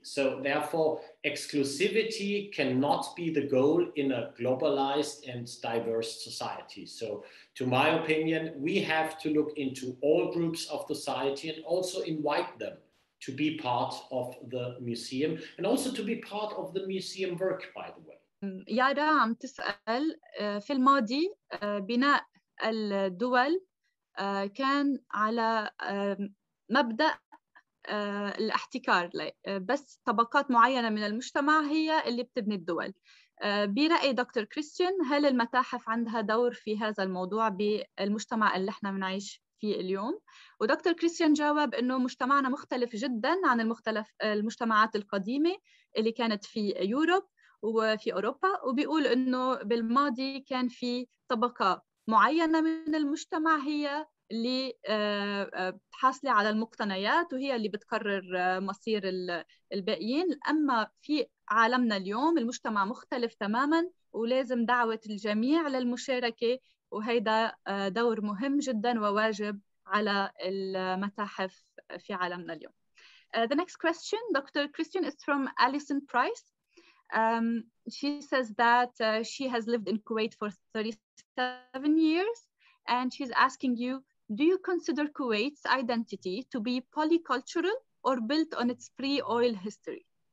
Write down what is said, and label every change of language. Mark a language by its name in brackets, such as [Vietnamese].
[English] So therefore, exclusivity cannot be the goal in a globalized and diverse society. So to my opinion, we have to look into all groups of society and also invite them to be part of the museum and also to be part of the museum work, by the way. [Arabic] يارا عم تسأل في الماضي بناء الدول كان على مبدأ الاحتكار بس طبقات معينة من المجتمع هي اللي بتبني الدول. برأي دكتور كريستيان هل المتاحف عندها دور في هذا الموضوع بالمجتمع اللي احنا بنعيش فيه اليوم؟ ودكتور كريستيان جاوب انه مجتمعنا مختلف جدا عن المجتمعات القديمة اللي كانت في يوروب وفي أوروبا، وبيقول أنه بالماضي كان في طبقة معينة من المجتمع هي اللي بتحصل على المقتنيات وهي اللي بتقرر مصير الباقيين، أما في عالمنا اليوم المجتمع مختلف تماماً ولازم دعوة الجميع للمشاركة، وهذا دور مهم جداً وواجب على المتاحف في عالمنا اليوم. [English] The next question, Dr. Christian, is from Alison Price. She says that she has lived in Kuwait for 37 years, and she's asking you, do you consider Kuwait's identity to be polycultural or built on its pre-oil history?